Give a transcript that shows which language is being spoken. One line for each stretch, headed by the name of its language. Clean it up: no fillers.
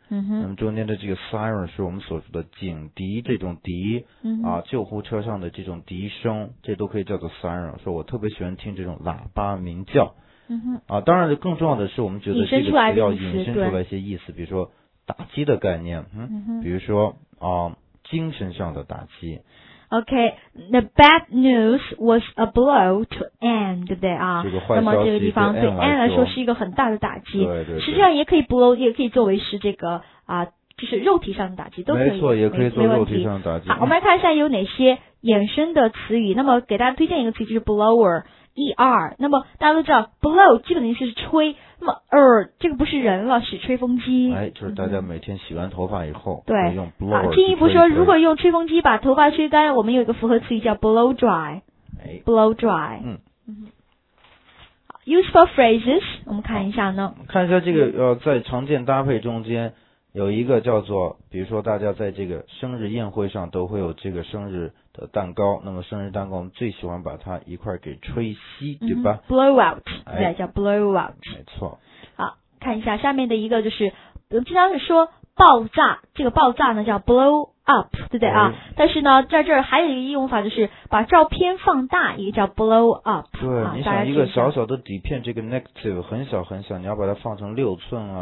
Chinese: 那么中间的这个 siren 是我们所说的警笛，这种笛啊，救护车上的这种笛声，这都可以叫做 siren。说我特别喜欢听这种喇叭鸣叫。当然更重要的是，我们觉得这个词要引申出来一些意思，比如说打击的概念，比如说啊，精神上的打击。
English: Okay, the bad news was a blow to Anne,
Chinese: 对不对啊？这个坏消息那么这个地方对 Anne 来说是一个很大的打击。对对对。实际上也可以 blow， 也可以作为是这个啊，就是肉体上的打击都可以。没错，也可以做肉体上的打击。好，我们来看一下有哪些衍生的词语。那么给大家推荐一个词就是 blower。 E-R， 那么大家都知道 blow 基本的意思是吹，那么这个不是人了，是吹风机。哎，就是大家每天洗完头发以后，对，用 blow。进一步说，如果用吹风机把头发吹干，我们有一个复合词语叫 blow dry。哎
English: ，blow dry。
Chinese: Useful phrases， 我们看一下呢。看一下这个在常见搭配中间有一个叫做，比如说大家在这个生日宴会上都会有这个生日。的蛋糕，那么生日蛋糕我们最喜欢把它一块给吹熄，对吧
English: ？Blow out， 对，叫 blow out。
Chinese: 没错。好，看一下下面的一个就是，经常是说爆炸，这个爆炸呢叫 blow up， 对不对啊？但是呢，在这儿还有一个用法，就是把照片放大，也叫 blow up。对，你想一个小小的底片，这个 negative 很小很小，你要把它放成六寸啊